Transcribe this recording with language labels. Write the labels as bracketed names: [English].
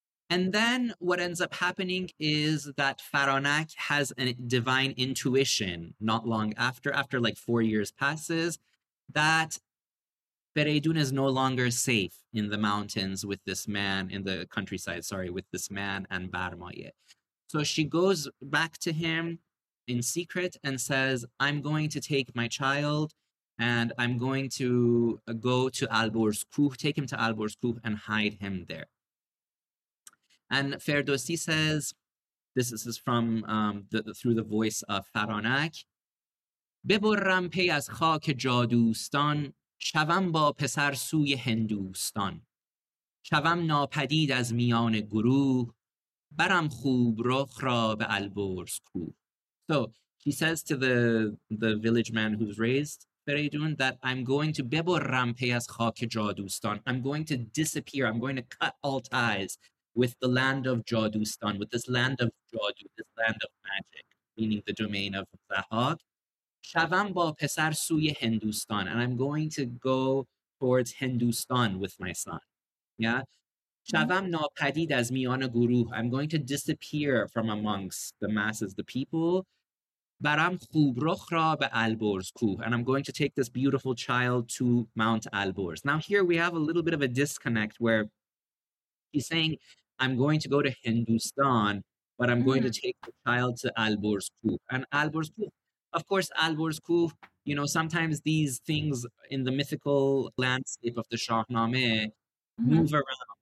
[English] And then what ends up happening is that Pharaonak has a divine intuition not long after like 4 years passes, that Feridun is no longer safe in the mountains with this man, in the countryside, sorry, with this man and Barmaye. So she goes back to him in secret and says, I'm going to take my child and I'm going to go to Alborz Kuh, take him to Alborz Kuh and hide him there. And Ferdowsi says, this is from through the voice of Pharaonak, [Persian] ببرم پی از خاک جادوستان شوم با پسر سوی هندوستان شوم ناپدید از میان گروه برم خوب رخ را به البرز کوه. [English] So he says to the village man who's raised Feridun that I'm going to [Persian] ببرم پی از خاک جادوستان, [English] I'm going to disappear, I'm going to cut all ties with the land of Jadustan, with this land of Jadu, this land of magic, meaning the domain of Zahag. [Persian] Shavam ba pesar suye Hindustan, [English] and I'm going to go towards Hindustan with my son. Yeah? [Persian] شوم ناپدید از میان گروه. [English] I'm going to disappear from amongst the masses, the people. [Persian] برم خوبرخ را به البرز کوه. [English] And I'm going to take this beautiful child to Mount Elburz. Now here we have a little bit of a disconnect where he's saying, I'm going to go to Hindustan, but I'm going to take the child to Elburz Kuh. And Elburz Kuh, of course, Elburz Kuh, you know, sometimes these things in the mythical landscape of the Shahnameh move around.